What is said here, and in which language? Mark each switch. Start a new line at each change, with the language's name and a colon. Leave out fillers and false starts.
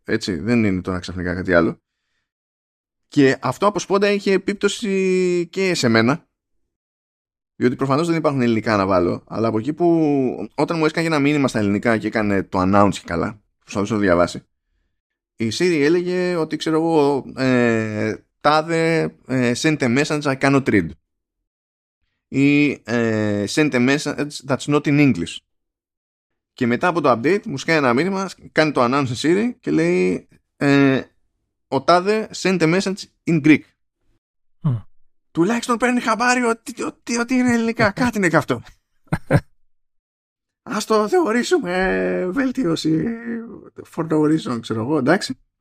Greek: Έτσι, δεν είναι τώρα ξαφνικά κάτι άλλο. Και αυτό από σπόντα είχε επίπτωση και σε μένα, διότι προφανώς δεν υπάρχουν ελληνικά να βάλω, αλλά από εκεί που όταν μου έσκαγε ένα μήνυμα στα ελληνικά και έκανε το announce και καλά, προσπαθούσα να το διαβάσει, η Siri έλεγε ότι, ξέρω εγώ, τάδε,
English: send a message, I cannot read. Ή send a message that's not in English.
Greek: Και μετά από το update μου σκάει ένα μήνυμα, κάνει το announce Siri και λέει ο τάδε
English: send a message in Greek.
Greek: Τουλάχιστον παίρνει χαμπάρι ότι είναι ελληνικά. Κάτι είναι και αυτό. Ας το θεωρήσουμε βελτίωση
English: for no reason,
Greek: ξέρω εγώ, εντάξει.